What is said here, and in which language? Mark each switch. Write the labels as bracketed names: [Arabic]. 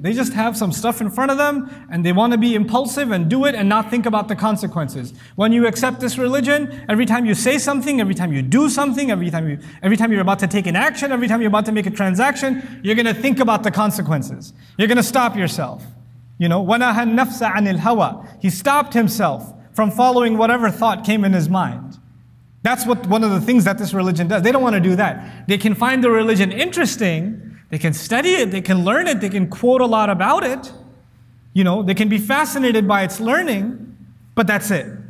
[English] They just have some stuff in front of them and they want to be impulsive and do it and not think about the consequences. When you accept this religion, every time you say something, every time you do something, every time you're about to take an action, every time you're about to make a transaction, you're going to think about the consequences. You're going to stop yourself. You know, [Arabic] وَنَهَا النَّفْسَ عَنِ الْهَوَىٰ. [English] He stopped himself from following whatever thought came in his mind. That's what one of the things that this religion does. They don't want to do that. They can find the religion interesting. They can study it, they can learn it, they can quote a lot about it. You know, they can be fascinated by its learning, but that's it.